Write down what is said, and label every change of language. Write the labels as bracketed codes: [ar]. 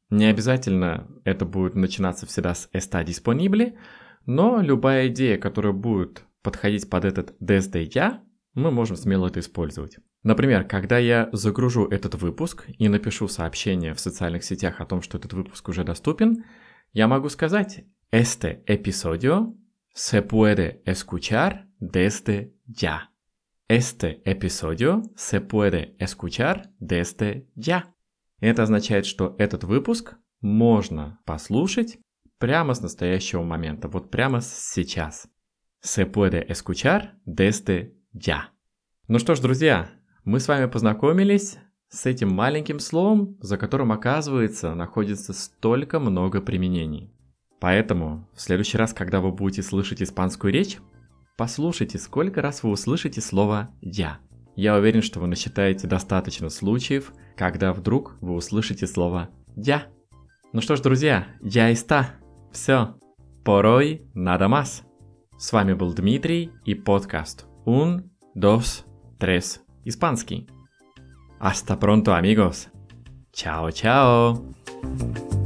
[ru] Не обязательно это будет начинаться всегда с [es] está disponible, [ru] но любая идея, которая будет подходить под этот [es] desde ya, [ru] мы можем смело это использовать. Например, когда я загружу этот выпуск и напишу сообщение в социальных сетях о том, что этот выпуск уже доступен, я могу сказать [es] este episodio se puede escuchar desde ya. Este episodio se puede escuchar desde ya. [ru] Это означает, что этот выпуск можно послушать прямо с настоящего момента, вот прямо сейчас. [es] Se puede escuchar desde ya. [ru] Ну что ж, друзья, мы с вами познакомились с этим маленьким словом, за которым, оказывается, находится столько много применений. Поэтому в следующий раз, когда вы будете слышать испанскую речь, послушайте, сколько раз вы услышите слово «я». Я уверен, что вы насчитаете достаточно случаев, когда вдруг вы услышите слово «я». Ну что ж, друзья, «я está». Все. [es] Por hoy nada más. [ru] С вами был Дмитрий и подкаст [es] «Un, dos, tres, испанский». Hasta pronto, amigos. Chao, chao.